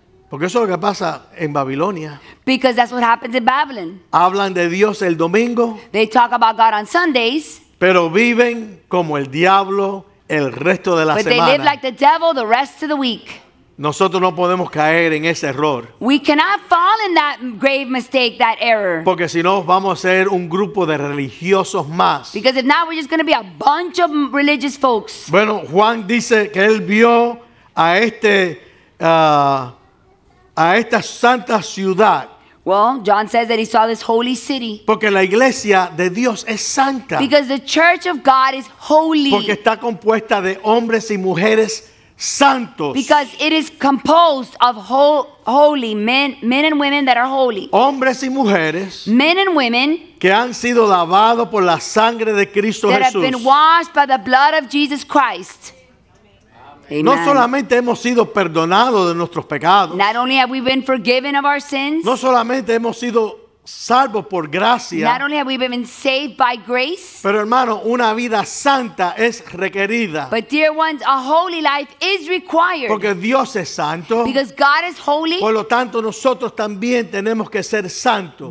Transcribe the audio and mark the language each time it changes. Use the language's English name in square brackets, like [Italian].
[Spanish] Porque eso es lo que pasa en Babilonia. [English] Because that's what happens in Babylon. [Spanish] Hablan de Dios el domingo. [English] They talk about God on Sundays. [Spanish] Pero viven como el diablo el resto de la semana. [English] But they live like the devil the rest of the week. [Spanish] Nosotros no podemos caer en ese error. [English] We cannot fall in that grave mistake, that error. [Spanish] Porque si no, vamos a ser un grupo de religiosos más. [English] Because if not, we're just going to be a bunch of religious folks. [Spanish] Bueno, Juan dice que él vio a esta santa ciudad. [English] Well, John says that he saw this holy city. [Spanish] Porque la iglesia de Dios es santa. [English] Because the church of God is holy. [Spanish] Porque está compuesta de hombres y mujeres santos. [English] Because it is composed of holy men and women that are holy. [Spanish] Hombres y mujeres. [English] Men and women. [Spanish] Que han sido lavados por la sangre de Cristo [English] that [Spanish] Jesús. [English] That have been washed by the blood of Jesus Christ. Amen. [Spanish] No solamente hemos sido perdonados de nuestros pecados. [English] Not only have we been forgiven of our sins. [Spanish] No solamente hemos sido salvos por gracia. [English] Not only have we been saved by grace. [Spanish] Pero hermano, una vida santa es requerida. [English] But dear ones, a holy life is required. [Spanish] Porque Dios es santo. [English] Because God is holy. [Spanish] Por lo tanto, nosotros también tenemos que ser santos.